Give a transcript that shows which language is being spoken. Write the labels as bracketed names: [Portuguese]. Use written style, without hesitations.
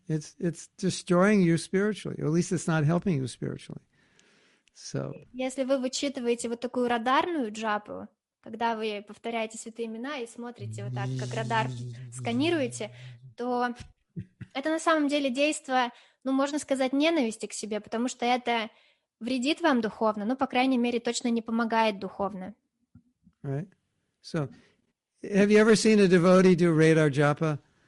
[English] It's destroying you spiritually, or at least it's not helping you spiritually. So. [Russian] Если вы вычитываете вот такую радарную джапу, когда вы повторяете святые имена и смотрите вот так, как радар сканируете, то это на самом деле действие, ну, можно сказать, ненависти к себе, потому что это вредит вам духовно, ну, по крайней мере, точно не помогает духовно. [English] Right. So, have you ever seen a devotee do radar japa?